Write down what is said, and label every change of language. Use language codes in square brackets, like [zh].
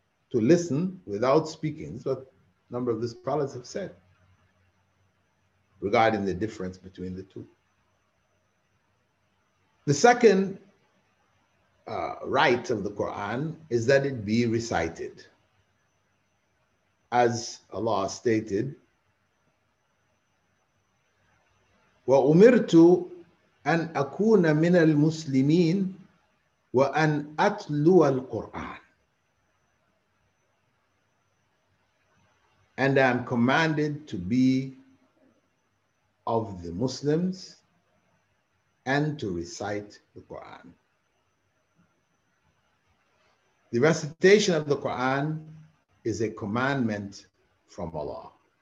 [en] To listen without speaking. That's what a number of the scholars have said regarding the difference between the two. The second right of the Quran is that it be recited. [ar] As Allah stated, وَأُمِرْتُ أَنْ أَكُونَ مِنَ الْمُسْلِمِينَ وَأَنْ أَتْلُوَ الْقُرْآنَ. [en] And I am commanded to be of the Muslims and to recite the Quran. The recitation of the Quran is a commandment from Allah.